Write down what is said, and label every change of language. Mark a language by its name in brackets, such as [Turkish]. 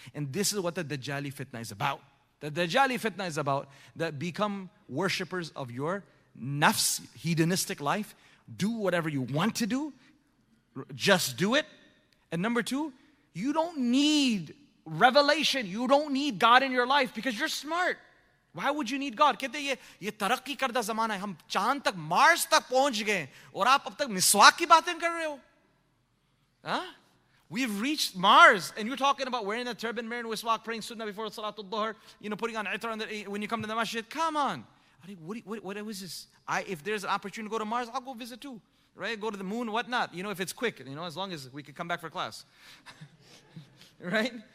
[English] And this is what the Dajjali fitna is about. The Dajjali fitna is about that become worshippers of your nafs, hedonistic life. Do whatever you want to do. Just do it. And number two, you don't need revelation. You don't need God in your life because you're smart. Why would you need God? [Hindi] कहते ये ये तरक्की करता ज़माना है हम चांद तक मार्स तक पहुंच गए और आप अब तक मिसवाक की बातें कर रहे हो? [English] हाँ, we've reached Mars and you're talking about wearing a turban, wearing a miswak, praying sunnah before salatul dhuhr, you know, putting on itar on the, when you come to the masjid. Come on, what is this? If there's an opportunity to go to Mars, I'll go visit too, right? Go to the moon, whatnot. You know, if it's quick, you know, as long as we can come back for class, right?